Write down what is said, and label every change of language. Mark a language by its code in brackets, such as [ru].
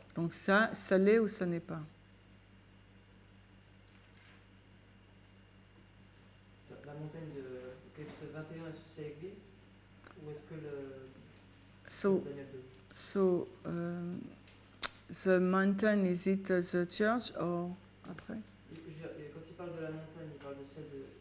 [fr] Donc ça, ça l'est ou ça n'est pas? La montagne de Kepse 21, est-ce que c'est l'église? Ou est-ce que le... [en] So, the mountain, is it the church or [fr] après? Quand il parle de la montagne, il parle de celle de...